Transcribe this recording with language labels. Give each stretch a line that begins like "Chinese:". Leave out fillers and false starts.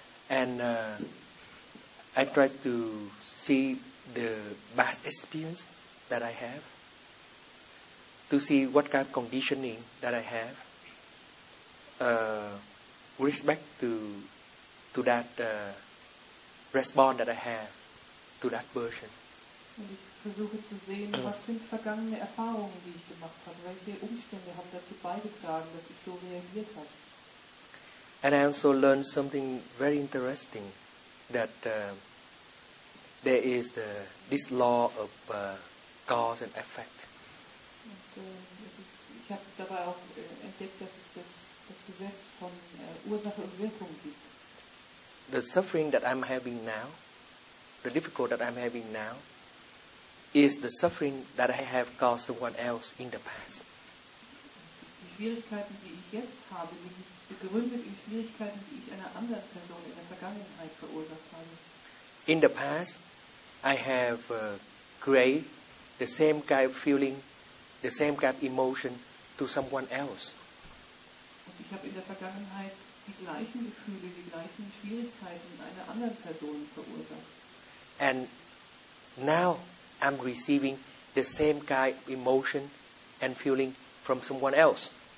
English: And I try to see the past experience that I have, to see what kind of conditioning that I have, respect to that response that I have to that version.
German: Versuche zu sehen, was sind vergangene Erfahrungen, die ich gemacht habe, welche Umstände haben dazu beigetragen, dass ich so reagiert habe.
English: And I also learned something very interesting, that there is this law of cause and effect.
German: Und, ich habe dabei auch entdeckt, dass es das Gesetz von Ursache und Wirkung gibt.
English: The suffering that I'm having now, the difficulty that I'm having now, is the suffering that I have caused someone else in the past.
German: Die Schwierigkeiten, die ich jetzt habe, sind begründet in Schwierigkeiten, die ich einer anderen Person in der Vergangenheit verursacht habe.
English: In the past, I have created the same kind of feeling, the same kind of emotion to someone else.
German: Und ich habe in der Vergangenheit die gleichen Gefühle, die gleichen Schwierigkeiten einer anderen Person verursacht.
English: And now I'm receiving the same kind of emotion and feeling from someone else.